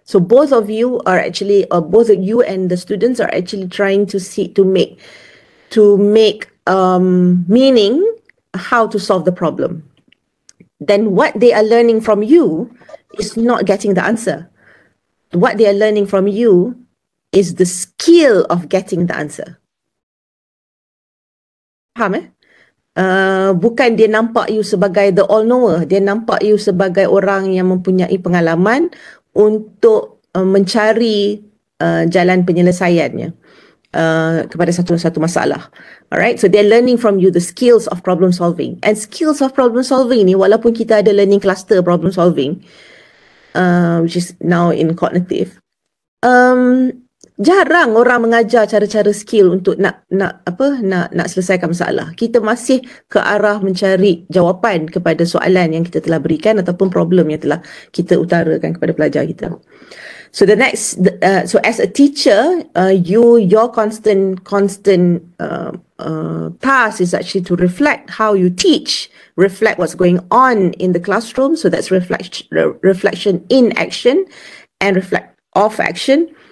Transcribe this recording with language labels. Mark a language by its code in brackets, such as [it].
[en] So both of you are actually, or both of you and the students are actually trying to see, to make meaning how to solve the problem. Then what they are learning from you is not getting the answer. What they are learning from you is the skill of getting the answer. [ms] Faham eh? Bukan dia nampak you sebagai [en] the all-knower. [ms] Dia nampak you sebagai orang yang mempunyai pengalaman untuk mencari jalan penyelesaiannya kepada satu-satu masalah. [en] Alright, so they're learning from you the skills of problem solving. And skills of problem solving [ms] ni, walaupun kita ada [en] learning cluster problem solving, which is now in cognitive, [ms] jarang orang mengajar cara-cara skill untuk nak selesaikan masalah. Kita masih ke arah mencari jawapan kepada soalan yang kita telah berikan ataupun problem yang telah kita utarakan kepada pelajar kita. [en] So the next, so as a teacher, your constant task is actually to reflect how you teach, reflect what's going on in the classroom. So that's reflection in action and reflect off action.